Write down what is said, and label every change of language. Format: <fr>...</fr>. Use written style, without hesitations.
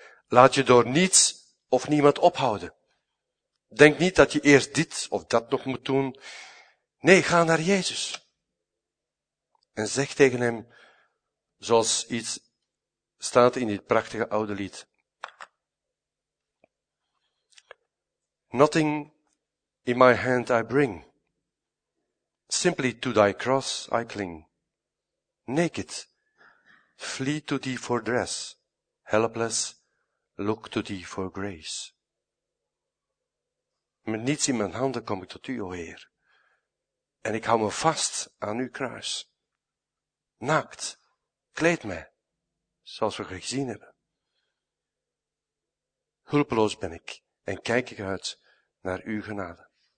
<nl>Laat je door niets of niemand ophouden. Denk niet dat je eerst dit of dat nog moet doen. Nee, ga naar Jezus. En zeg tegen hem, zoals iets staat in dit prachtige oude lied.</nl> <en>Nothing in my hand I bring. Simply to thy cross I cling. Naked, flee to thee for dress. Helpless, look to thee for grace.</en> <nl>Met niets in mijn handen kom ik tot u, o Heer. En ik hou me vast aan uw kruis. Naakt, kleed mij, zoals we gezien hebben. Hulpeloos ben ik en kijk ik uit naar uw genade.</nl>